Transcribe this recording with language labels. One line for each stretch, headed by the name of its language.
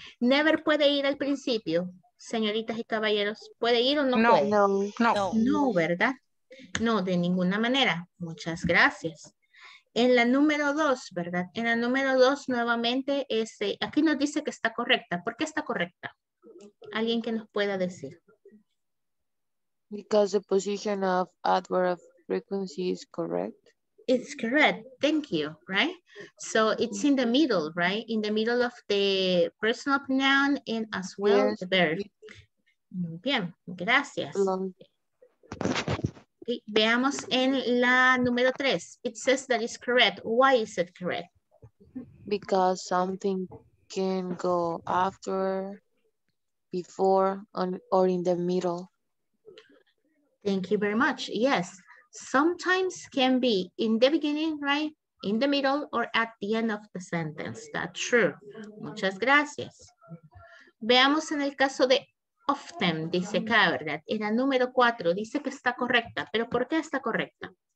Spanish: Never puede ir al principio, señoritas y caballeros. ¿Puede ir o no, no puede? No, no. No, ¿verdad? No, de ninguna manera. Muchas gracias. En la número dos, ¿verdad? En la número dos, nuevamente, aquí nos dice que está correcta. ¿Por qué está correcta? Alguien que nos pueda decir.
English: Because the position of adverb of frequency is correct. It's correct. Thank you. Right? So it's in the middle, right? In the middle of the personal pronoun and as well yes, the verb.
Spanish: Muy bien. Gracias. Okay. Veamos en la número tres.
English: It says that it's correct. Why is it correct? Because something can go after, before, or in the middle. Thank you very much. Yes. Sometimes can be in the beginning, right? In the middle or at the end of the sentence. That's true.
Spanish: Muchas gracias. Veamos en el caso de often, dice acá, ¿verdad? En la número cuatro, dice que está correcta. ¿Pero por qué está correcta?